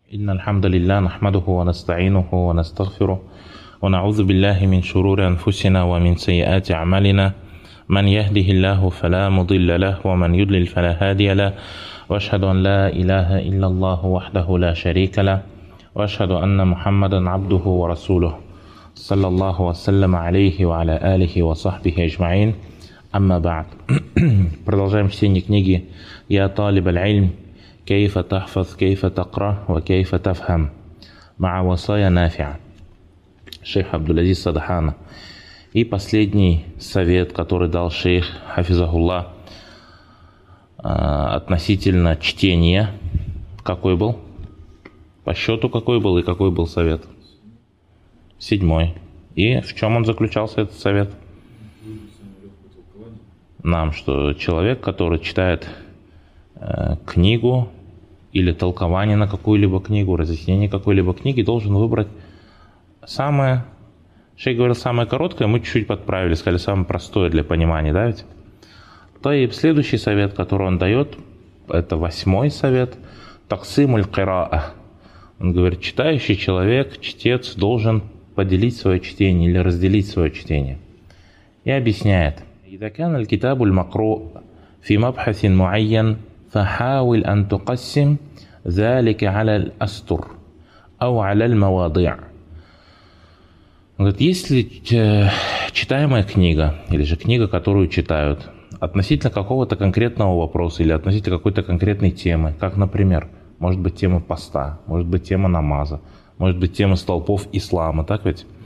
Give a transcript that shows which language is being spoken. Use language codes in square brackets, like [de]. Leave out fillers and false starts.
[ar] إن الحمد لله نحمده ونستعينه ونستغفره ونعوذ بالله من شرور أنفسنا ومن سيئات أعمالنا، من يهده الله فلا مضل له ومن يضلل فلا هادي له، وأشهد أن لا إله إلا الله وحده لا شريك له، وأشهد أن محمدا عبده ورسوله صلى الله وسلم عليه وعلى آله وصحبه أجمعين. أما بعد، [ru] продолжаем чтение книги [ar] يا طالب العلم كيف تحفظ كيف تقرأ وكيف تفهم مع وصايا نافعة شيخ عبد العزيز صدحانة. [ru] И последний совет, который дал шейх Хафизахуллах относительно чтения, какой был? По счету какой был и какой был совет? 7. И в чем он заключался, этот совет? Нам, что человек, который читает книгу или толкование на какую-либо книгу, разъяснение какой-либо книги, должен выбрать самое, шейх говорил, самое короткое, мы чуть-чуть подправили, сказали, самое простое для понимания, да ведь? То и следующий совет, который он дает, это 8 совет, таксимуль кираа. Он говорит, читающий человек, чтец должен поделить свое чтение или разделить свое чтение. И объясняет. [ar] Идакян аль-китабуль макру фимабхасин муайян فحاول أن تقسم ذلك على الأسطر أو على المواضيع. [ru] Говорит, если читаемая книга или же книга, которую читают, относительно какого-то конкретного вопроса или относительно какой-то конкретной темы, как, например, может быть тема поста, может быть тема намаза, может быть тема столпов ислама, так ведь?